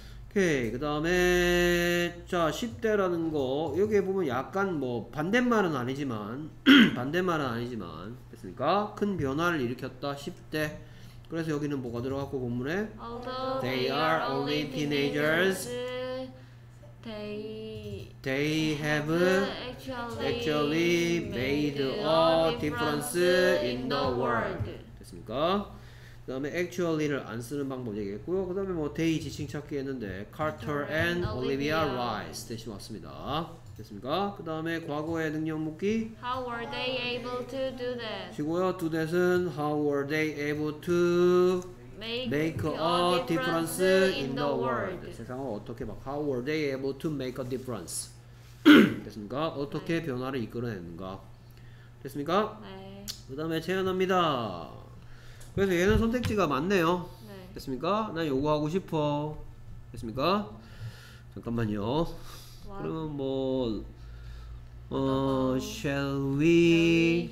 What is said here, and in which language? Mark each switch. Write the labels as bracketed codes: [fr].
[ko] 오케이, 그 다음에 자 10대라는 거 여기에 보면 약간 뭐 반대말은 아니지만 됐습니까? 큰 변화를 일으켰다 10대. 그래서 여기는 뭐가 들어갔고 본문에 [en] Although they are only teenagers, they have actually made a difference in the world. [ko] 됐습니까? 그 다음에 actually를 안 쓰는 방법 얘기했고요. 그 다음에 뭐 they 지칭 찾기 했는데 Carter and Olivia Rice 대신 왔습니다. 됐습니까? 그 다음에 과거의 능력 묻기 [en] How were they able to do that? [ko] 쉬고요. [en] Do that은 How were they able to make a difference in the world? [ko] 세상을 어떻게 막 [en] How were they able to make a difference? [ko] 됐습니까? 어떻게 변화를 이끌어냈는가? 됐습니까? 네. 그 다음에 재현합니다. 그래서 얘는 선택지가 많네요. 네. 됐습니까? 난 요거 하고 싶어. 됐습니까? 잠깐만요. 와. 그러면 뭐 [en] shall we